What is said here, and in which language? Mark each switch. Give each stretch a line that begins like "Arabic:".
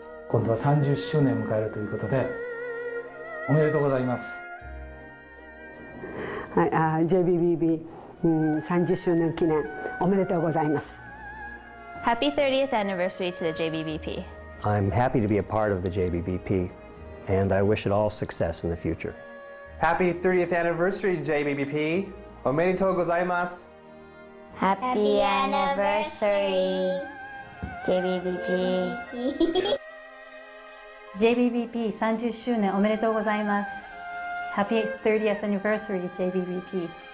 Japanese: 今度は30周年を迎えるということで、おめでとうございます。はい、JBBP、30周年記念、おめでとうございます。
English: Happy 30th anniversary to the JBBP. I'm happy to be a part of the JBBP, and I wish it all success in the future. Happy 30th anniversary, JBBP.
Japanese: おめでとうございます。
English: Happy anniversary, JBBP.
Japanese: JBBP 30周年おめでとうございます。
English: Happy 30th anniversary, JBBP.